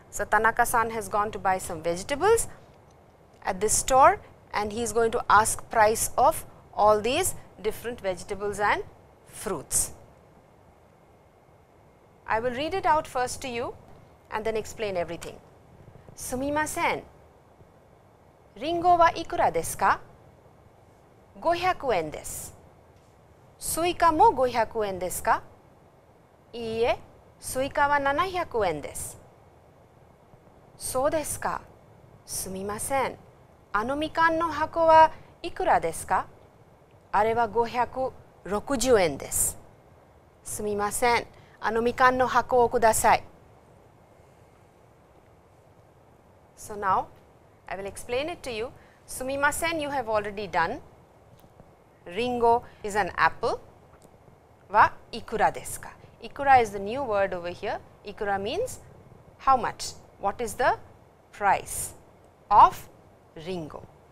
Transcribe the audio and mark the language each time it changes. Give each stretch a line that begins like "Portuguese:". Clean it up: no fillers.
English: So, Tanaka-san has gone to buy some vegetables at this store and he is going to ask price of all these different vegetables and fruits. I will read it out first to you and then explain everything.
Japanese: すみません。リンゴはいくらですか?500円です。スイカも500円ですか?いいえ、スイカは700円です。そうですか。すみません。あのみかんの箱はいくらですか? あれは560円です。すみません。あのみかんの箱をください。
English: So now, I will explain it to you. Sumimasen, you have already done. Ringo is an apple.
Japanese: Wa ikura desu ka?
English: Ikura is the new word over here. Ikura means how much? What is the price of Ringo?